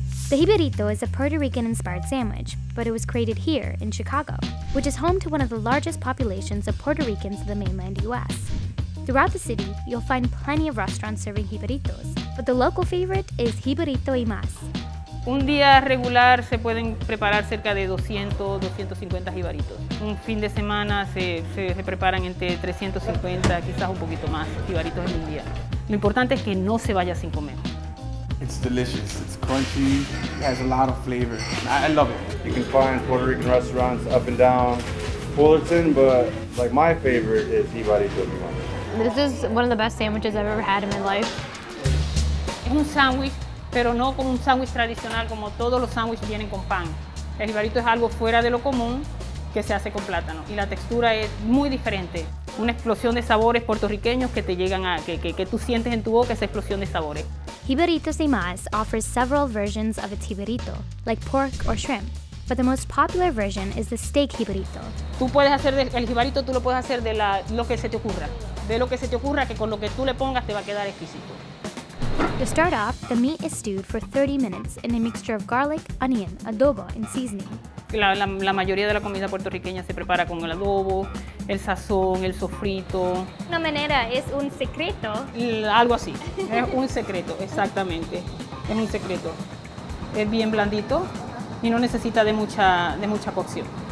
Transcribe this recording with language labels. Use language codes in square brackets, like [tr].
[en] The jibarito is a Puerto Rican-inspired sandwich, but it was created here in Chicago, which is home to one of the largest populations of Puerto Ricans in the mainland U.S. Throughout the city, you'll find plenty of restaurants serving jibaritos, but the local favorite is Jibaritos y Mas. [es] Un día regular se pueden preparar cerca de 200, 250 jibaritos. Un fin de semana se preparan entre 350, quizás un poquito más, jibaritos en un día. Lo importante es que no se vaya sin comer. [en] It's delicious, it's crunchy, it has a lot of flavor. I love it. You can find Puerto Rican restaurants up and down Fullerton, but like my favorite is Jibaritos y Mas. This is one of the best sandwiches I've ever had in my life. [es] Es un sándwich, pero no como un sándwich tradicional, como todos los sándwiches vienen con pan. El jibarito es algo fuera de lo común que se hace con plátano. Y la textura es muy diferente. Una explosión de sabores puertorriqueños que te llegan a, que tú sientes en tu boca esa explosión de sabores. [en] Jibaritos y Mas offers several versions of its jibarito, like pork or shrimp. But the most popular version is the steak jibarito. [es] Tú puedes hacer el jibarito, tú lo puedes hacer de lo que se te ocurra. De lo que se te ocurra, que con lo que tú le pongas te va a quedar exquisito. [en] To start off, the meat is stewed for 30 minutes in a mixture of garlic, onion, adobo, and seasoning. [es] La mayoría de la comida puertorriqueña se prepara con el adobo, el sazón, el sofrito. Una manera, es un secreto. Algo así, es un secreto, exactamente. Es un secreto. Es bien blandito y no necesita de mucha cocción.